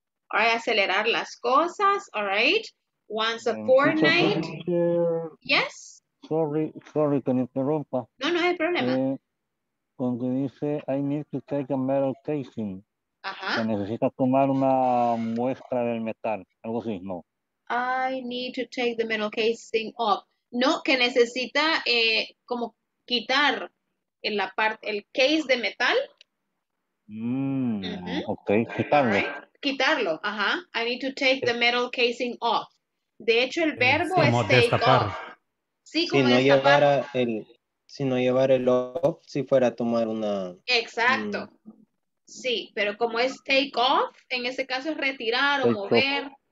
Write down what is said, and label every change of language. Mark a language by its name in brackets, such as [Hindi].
[English] All right, [Spanish] acelerar las cosas, [English] all right. Once a fortnight. Yes? [Spanish] Sorry, que interrumpa. No, no hay problema. Cuando dice, [English] I need to take a metal casing. [Spanish] Ajá. Se necesita tomar una muestra del metal, algo así, no. [English] I need to take the metal casing off. [Spanish] No, que necesita como quitar en la parte, el case de metal. [English] Mm-hmm. Okay, [Spanish] quitarlo. [English] Right. [Spanish] Quitarlo, ajá. Uh-huh. [English] I need to take the metal casing off. [Spanish] De hecho, el verbo es take destapar. Off. Sí, como si no llevara el, si no llevara el off, si fuera a tomar una... Exacto. Sí, pero como es take off, en ese caso es retirar take o mover.